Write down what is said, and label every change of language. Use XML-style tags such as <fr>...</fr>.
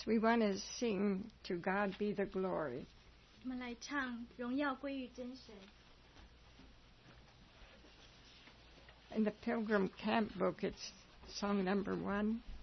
<en>We want to sing "To God Be the Glory."</en> <zh>我们来唱《荣耀归于真神》。</zh> <en>In the Pilgrim Camp Book, it's song number one.</en>